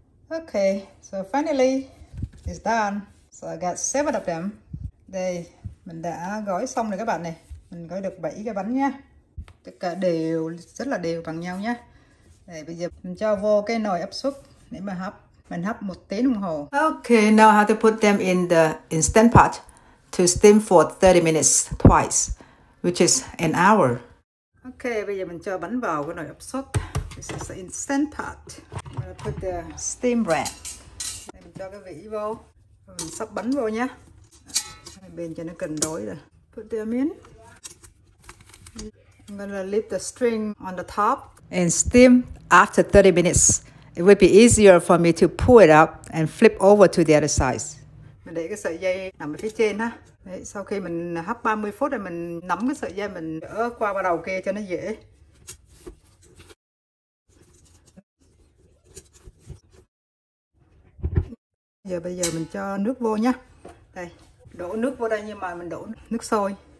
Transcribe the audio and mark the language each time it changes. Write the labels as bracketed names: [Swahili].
[English] Okay, so finally it's done. So I got 7 of them. [Vietnamese] Đây, mình đã gói xong rồi các bạn này. Mình gói được 7 cái bánh nha. Tất cả đều rất là đều bằng nhau nha. Đây, bây giờ mình cho vô cái nồi áp suất để mà hấp. Mình hấp 1 tiếng đồng hồ. [English] Okay, now I have to put them in the instant pot to steam for 30 minutes twice, which is an hour. [Vietnamese] Okay, bây giờ mình cho bánh vào cái nồi áp suất. [English] This is the instant pot. Put the steam bread. [Vietnamese] Đây, mình cho cái vỉ vô. Mình sắp bánh vô nha. Bên cho nó cân đối rồi. [English] Put them in. I'm gonna leave the string on the top. And steam after 30 minutes. It will be easier for me to pull it up and flip over to the other side. [Vietnamese] Mình để cái sợi dây nằm ở phía trên ha. Đấy, sau khi mình hấp 30 phút rồi mình nắm cái sợi dây mình đỡ qua vào đầu kia cho nó dễ. Giờ bây giờ mình cho nước vô nha. Đây, đổ nước vô đây nhưng mà mình đổ nước sôi.